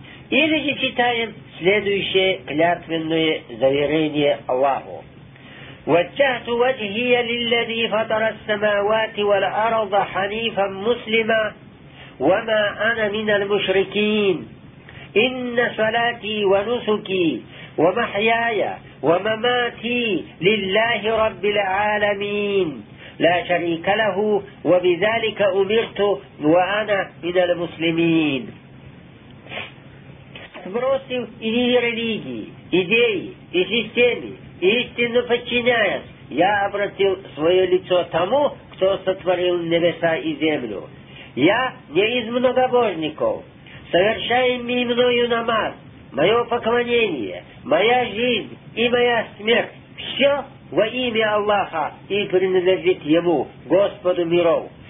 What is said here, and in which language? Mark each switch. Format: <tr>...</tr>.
<ru>Или же читаем следующее клятвенное заверение Аллаху.</ru> <ar>«Ваджахту ваджхия лилляди фатара ссамавати валь арда ханифан муслима, вама ана миналь мушрикин, инна салати ва нусуки». ومحياي ومماتي لله رب العالمين لا شريك له وبذلك أمرت وأنا من المسلمين.</ar> <ru>Сбросив идеи религии, идеи и системы, истинно подчиняясь, я обратил свое лицо тому, кто сотворил небеса и землю. Я не из многобожников. Совершаемый мною намаз, мое поклонение, моя жизнь и моя смерть – все во имя Аллаха и принадлежит Ему, Господу миров.</ru>